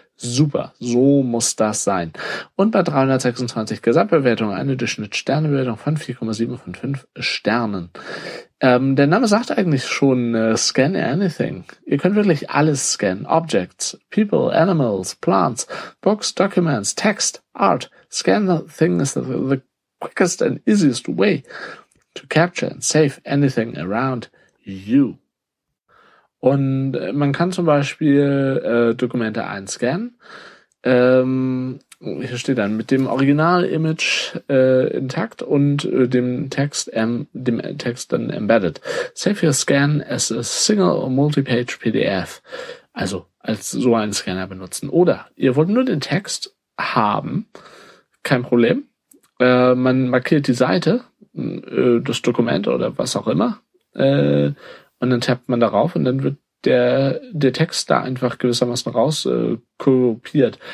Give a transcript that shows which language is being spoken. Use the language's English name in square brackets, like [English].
[German] Super, so muss das sein. Und bei 326 Gesamtbewertungen eine Durchschnitt-Sternebewertung von 4,7 von 5 Sternen. Der Name sagt eigentlich schon Scan Anything. Ihr könnt wirklich alles scannen. [English] Objects, People, Animals, Plants, Books, Documents, Text, Art. Scan the thing is the quickest and easiest way to capture and save anything around you. [German] Und man kann zum Beispiel Dokumente einscannen. Hier steht dann mit dem Original-Image intakt und dem Text dann embedded. [English] Save your scan as a single or multi-page PDF. [German] Also als so einen Scanner benutzen. Oder ihr wollt nur den Text haben, kein Problem. Man markiert die Seite, das Dokument oder was auch immer. Und dann tappt man darauf und dann wird der Text da einfach gewissermaßen raus kopiert.